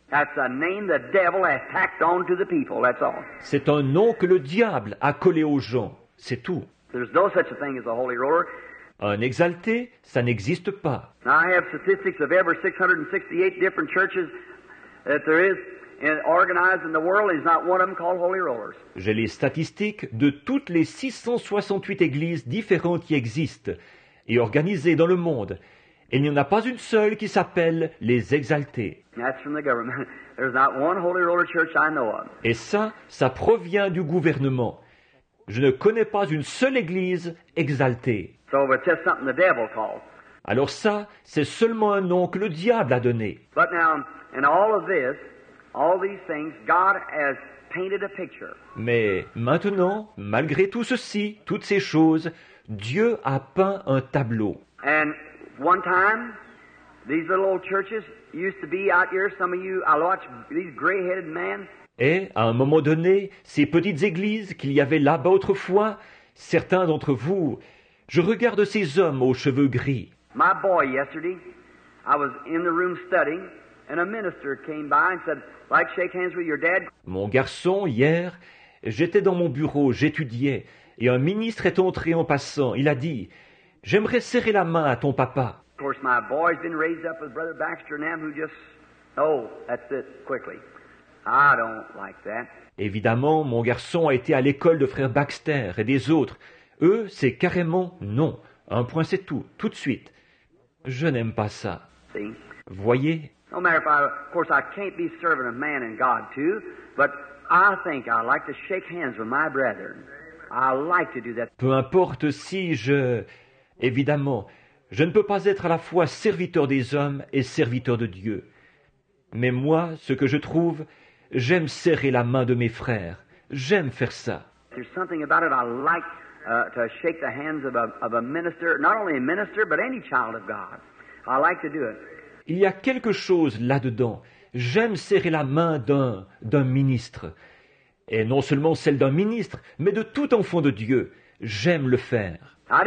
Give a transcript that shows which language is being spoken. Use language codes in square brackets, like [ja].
[en] That's a name the devil has tacked on to the people, that's all. [fr] C'est un nom que le diable a collé aux gens, c'est tout. [en] There's no such a thing as a holy roller. [fr] Un exalté, ça n'existe pas. [en] I have statistics of every 668 different churches that there is organized in the world, and there's not one of them called holy rollers. [fr] J'ai les statistiques de toutes les 668 églises différentes qui existent et organisées dans le monde. Il n'y en a pas une seule qui s'appelle les exaltés. [en] That's from the government. There's not one holy roller church I know of. [fr] Et ça, ça provient du gouvernement. Je ne connais pas une seule église exaltée. [en] So it's just something the devil called. [fr] Alors ça, c'est seulement un nom que le diable a donné. [en] But now, in all of this, all these things, God has painted a picture. [fr] Mais maintenant, malgré tout ceci, toutes ces choses, Dieu a peint un tableau. [en] And one time, these little old churches used to be out here. Some of you, I watch these gray-headed men. [fr] Et à un moment donné, ces petites églises qu'il y avait là-bas autrefois, certains d'entre vous, je regarde ces hommes aux cheveux gris. [en] My boy, yesterday, I was in the room studying, and a minister came by and said, "Like shake hands with your dad." [fr] Mon garçon, hier, j'étais dans mon bureau, j'étudiais, et un ministre est entré en passant. Il a dit, "J'aimerais serrer la main à ton papa." [en] Of course, my boy's been raised up with Brother Baxter and him, who just, oh, that's it, quickly. I don't like that. [fr] Évidemment, mon garçon a été à l'école de Frère Baxter et des autres. Eux, c'est carrément non. Un point, c'est tout, tout de suite. Je n'aime pas ça. [en] See? [fr] Voyez. [en] No matter if I, of course, I can't be serving a man and God too, but I think I like to shake hands with my brethren. I like to do that. [fr] Peu importe si je... Évidemment, je ne peux pas être à la fois serviteur des hommes et serviteur de Dieu. Mais moi, ce que je trouve, j'aime serrer la main de mes frères. J'aime faire ça. [en] There's something about it I like to shake the hands of a minister, not only a minister, but any child of God. I like to do it. [fr] Il y a quelque chose là-dedans. J'aime serrer la main d'un ministre. Et non seulement celle d'un ministre, mais de tout enfant de Dieu. J'aime le faire.